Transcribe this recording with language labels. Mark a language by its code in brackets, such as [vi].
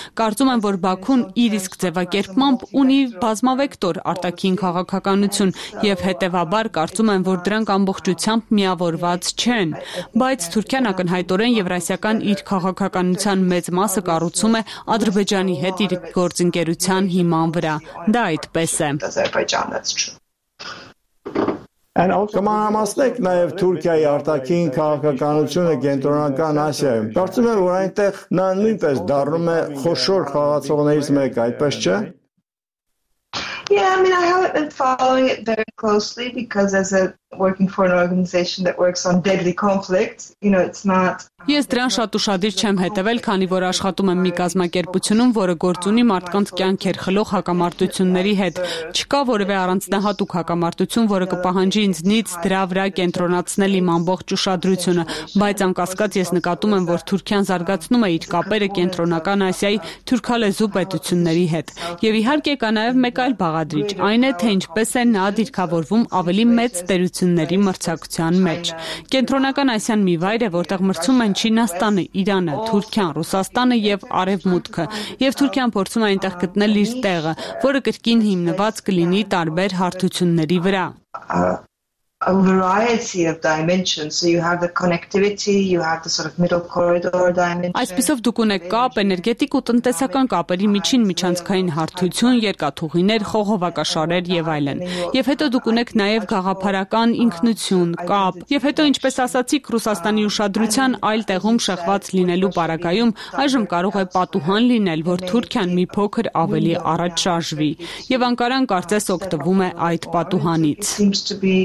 [hy] Կարծում եմ, որ Բաքուն իր իսկ ձևակերպմամբ ունի բազմավեկտոր արտաքին քաղաքականություն, եւ հետեւաբար կարծում եմ, որ դրանք ամբողջությամբ միավորված չեն, բայց Թուրքիան ակնհայտորեն եվրասիական իր քաղաքականության մեծ մասը կառուցում է Ադրբեջանի հետ իր գործընկերության հիման վրա։ Դա այդպես է։ Կմանամասնեք նաև Թուրքիայի արտաքին քաղաքականությունը Կենտրոնական Ասիայում։ Կարծում եմ, որ այնտեղ նա նույնպես դառնում է խոշոր խաղացողներից մեկը, այդպես չէ։ [en] Yeah, I mean, I haven't been following it very closely because as a working for an organization that works on deadly conflict, you know, it's not. [hy] Ես դրան շատ ուշադիր չեմ հետևել, քանի որ աշխատում եմ մի կազմակերպությունում, որը գործունի մարդկանց կյանքեր խլող հակամարտությունների հետ։ Չկա որևէ առանձնահատուկ հակամարտություն, որը կպահանջի ինձնից դրա վրա կենտրոնացնել իմ ամբողջ ուշադրությունը, բայց անկասկած ես նկատում եմ, որ Թուրքիան զարգացնում է իր կապերը Կենտրոնական Ասիայի թուրքալեզու պետությունների հետ։ Եվ իհարկե կա նաև մեկ այլ բաղադրիչ, այն է, թե ինչպես է նա դիրքավորվում ավելի մեծ տերությունների մրցակցության մեջ։ Կենտրոնական Ասիան մի վայր է, որտեղ մրցում են Չինաստանը, Իրանը, Թուրքիան, Ռուսաստանը եւ Արևմուտքը, եւ Թուրքիան փորձում է այնտեղ գտնել իր տեղը, որը կրկին հիմնված կլինի տարբեր հարթությունների վրա։ [en] a variety of dimensions. So you have the connectivity, you have the sort of middle corridor dimension. [hy] Այսպիսով դուք ունեք կապ, էներգետիկ ու տնտեսական կապերի միջին միջանցքային հարթություն, երկաթուղիներ, խողովակաշարեր եւ այլն։ Եվ հետո դուք ունեք նաեւ գաղափարական ինքնություն, կապ։ Եվ հետո, ինչպես ասացիք, Ռուսաստանի ուշադրության այլ տեղում շեղված լինելու պարագայում այժմ կարող է պատուհան լինել, որ Թուրքիան մի փոքր ավելի առաջ շարժվի, եւ Անկարան կարծես օգտվում է այդ պատուհանից։